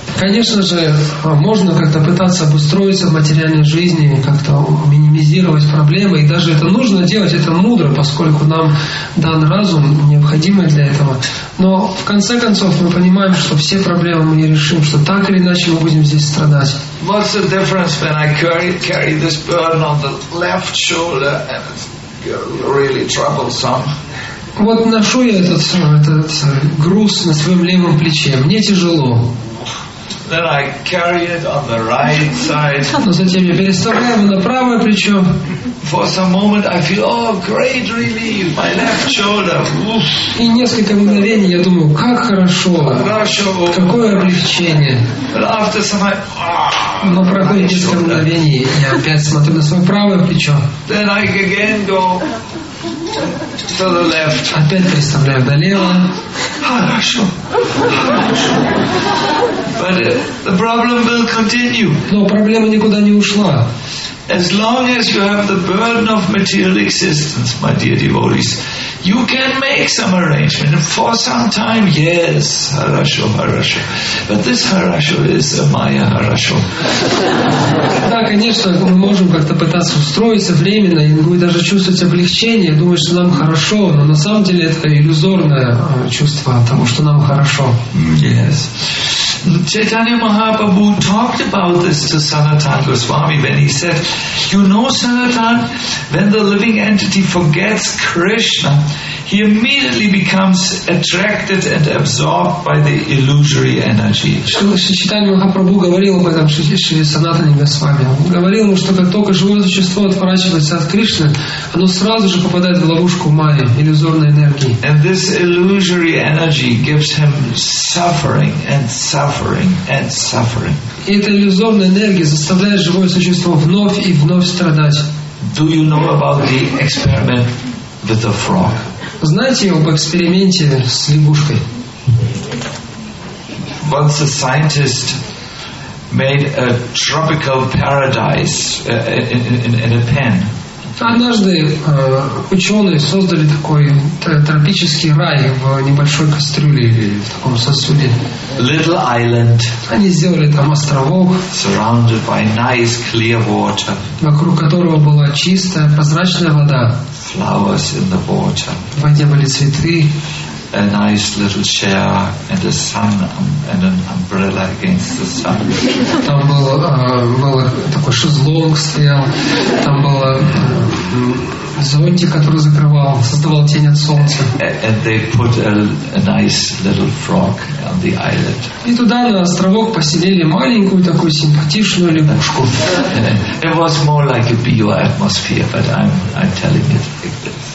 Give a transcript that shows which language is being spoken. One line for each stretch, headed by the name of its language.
Russian: Конечно же, можно как-то пытаться обустроиться в материальной жизни, как-то минимизировать проблемы, и даже это нужно делать, это мудро, поскольку нам дан разум, необходимый для этого. Но в конце концов мы понимаем, что все проблемы мы не решим, что так или иначе мы будем здесь страдать.
English: What's the difference when I carry this burden on the left shoulder and it's really troublesome?
Russian: Вот ношу я этот груз на своем левом плече, мне тяжело.
English: Then I carry it on the right side.
Russian: Но затем я переставляю его на правое плечо.
English: For some moment I feel, oh, great relief, my left shoulder.
Russian: И несколько мгновений я думаю, как хорошо, какое облегчение. Но проходит несколько мгновений, я опять смотрю на свое правое плечо.
English: Then I again go to the left.
Russian: Опять переставляю до левого. Хорошо.
English: But the problem will continue.
Russian: Но проблема никуда не ушла.
English: As long as you have the burden of material existence, my dear devotees, you can make some arrangement for some time. Yes,
Russian: хорошо, хорошо.
English: But this
Russian: хорошо
English: is a Maya хорошо.
Russian: Да, конечно, мы можем как-то пытаться устроиться временно, и будет даже чувствовать облегчение, думать, что нам хорошо, но на самом деле это иллюзорное чувство того, что нам хорошо.
English: Yes. Chaitanya Mahaprabhu talked about this to Sanatana Goswami when he said, you know, Sanatana, when the living entity forgets Krishna, he immediately becomes attracted and absorbed by the illusory energy.
Russian: Chaitanya Mahaprabhu говорил об этом Шри Санатане Госвами. Он говорил ему, что как только живое существо отворачивается от Кришны, оно сразу же попадает в ловушку майи, иллюзорной энергии.
English: And this illusory energy gives him suffering and suffering and suffering.
Russian: И эта иллюзорная энергия заставляет живое существо вновь и вновь страдать.
English: Do you know about the experiment with the frog?
Russian: Знаете об эксперименте с лягушкой?
English: Once a scientist made a tropical paradise in a pen.
Russian: Однажды ученые создали такой тропический рай в небольшой кастрюле или в таком сосуде.
English: Little island.
Russian: Они сделали там островок.
English: Surrounded by nice clear water.
Russian: Вокруг которого была чистая прозрачная вода.
English: Flowers in the water.
Russian: В воде были цветы.
English: A nice little chair and a sun and an umbrella against the sun.
Russian: Там был такой шезлонг стоял. Там был зонтик, который закрывал, создавал тень от солнца.
English: And they put a nice little frog on the island.
Russian: И туда на островок поселили маленькую такую симпатичную лягушку.
English: It was more like a bioatmosphere, but I'm telling it like this.